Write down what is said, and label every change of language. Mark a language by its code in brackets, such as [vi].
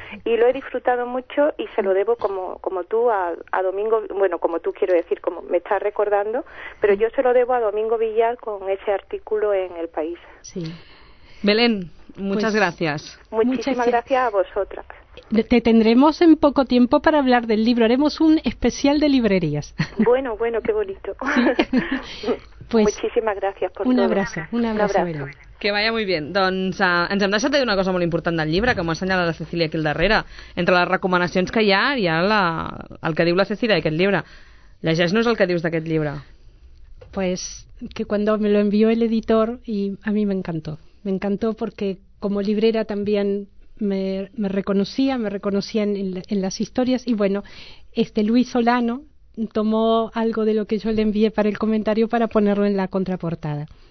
[es] Y lo he disfrutado mucho y se lo debo como tú a Domingo, bueno, como tú quiero decir, como me estás recordando, pero yo se lo debo a Domingo Villar con ese artículo en El País. Sí. Belén, muchas gracias. Muchísimas gracias a vosotras. Te tendremos en poco tiempo para hablar del libro. Haremos un especial de librerías. Bueno, qué bonito. Sí. Pues muchísimas gracias por un todo. Un abrazo, Belén. Que vaya muy bien. [ca] Doncs ens hem deixat una cosa molt important del llibre, que m'ha assenyalat la Cecília aquí al darrere. Entre les recomanacions que hi ha el que diu la Cecília d'aquest llibre. Llegeix-nos el que dius d'aquest llibre. [es] Pues que cuando me lo envió el editor, y a mí me encantó. Me encantó porque como librera también me reconocía en las historias. Y bueno, Luis Solano tomó algo de lo que yo le envié para el comentario para ponerlo en la contraportada.